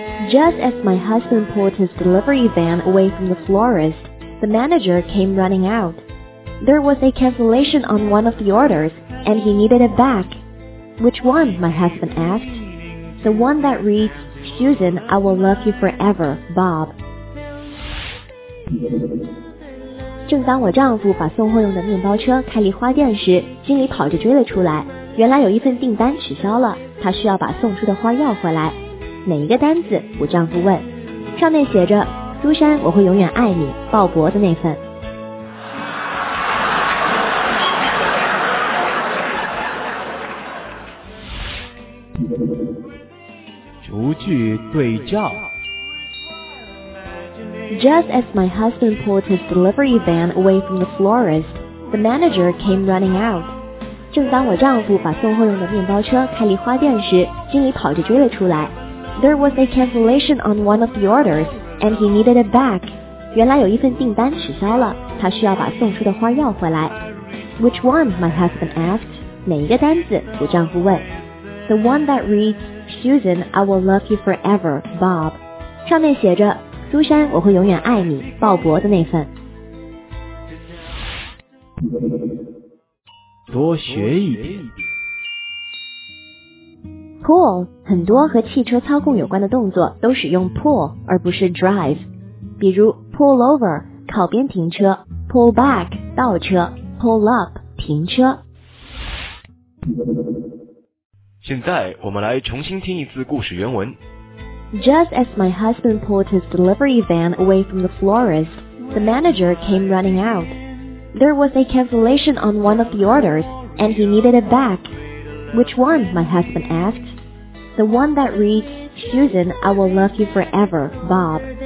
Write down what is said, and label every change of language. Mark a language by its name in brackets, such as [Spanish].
[English] Just as my husband pulled his delivery van away from the florist, the manager came running out. There was a cancellation on one of the orders, and he needed it back. Which one? My husband asked. The one that reads, Susan, I will love you forever, Bob. [Chinese] 正当我丈夫把送货用的面包车开离花店时，经理跑着追了出来。原来有一份订单取消了，他需要把送出的花要回来。哪一个单子？我丈夫问。上面写着，苏珊，我会永远爱你，鲍勃的那份。逐句对照。 [English] Just as my husband pulled his delivery van away from the florist, the manager came running out. [Chinese] 正当我丈夫把送货用的面包车开离花店时，经理跑着追了出来。 [English] There was a cancellation on one of the orders, and he needed it back. [Chinese] 原来有一份订单取消了，他需要把送出的花要回来。 [English] Which one? My husband asked. 哪一个单子？我丈夫问。 The one that reads, Susan, I will love you forever, Bob. [Chinese] 上面写着，苏珊，我会永远爱你，鲍勃的那份。多学一点。 Pull, 很多和汽车操控有关的动作都使用 pull 而不是 drive。比如 pull over, 靠边停车 , pull back, 倒车 , pull up, 停车。现在我们来重新听一次故事原文。 Just as my husband pulled his delivery van away from the florist, the manager came running out. There was a cancellation on one of the orders, and he needed it back. Which one? My husband asked. The one that reads, Susan, I will love you forever, Bob.